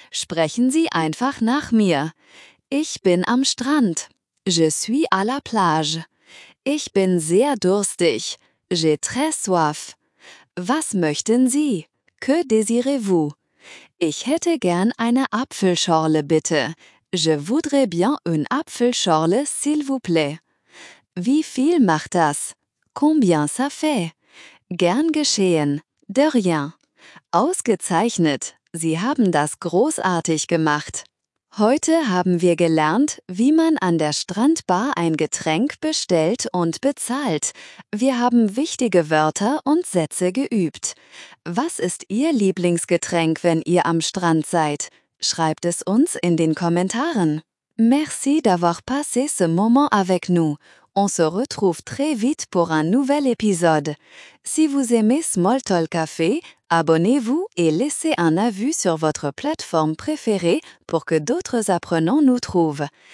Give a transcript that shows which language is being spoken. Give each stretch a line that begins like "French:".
German: Sprechen Sie einfach nach mir. Ich bin am Strand.
French: Je suis à la plage.
German: Ich bin sehr durstig.
French: J'ai très soif.
German: Was möchten Sie?
French: Que désirez-vous?
German: Ich hätte gern eine Apfelschorle, bitte.
French: Je voudrais bien une Apfelschorle, s'il vous plaît.
German: Wie viel macht das?
French: Combien ça fait?
German: Gern geschehen.
French: De rien.
German: Ausgezeichnet. Sie haben das großartig gemacht. Heute haben wir gelernt, wie man an der Strandbar ein Getränk bestellt und bezahlt. Wir haben wichtige Wörter und Sätze geübt. Was ist Ihr Lieblingsgetränk, wenn ihr am Strand seid? Schreibt es uns in den Kommentaren.
French: Merci d'avoir passé ce moment avec nous. On se retrouve très vite pour un nouvel épisode. Si vous aimez Small Talk Café, abonnez-vous et laissez un avis sur votre plateforme préférée pour que d'autres apprenants nous trouvent.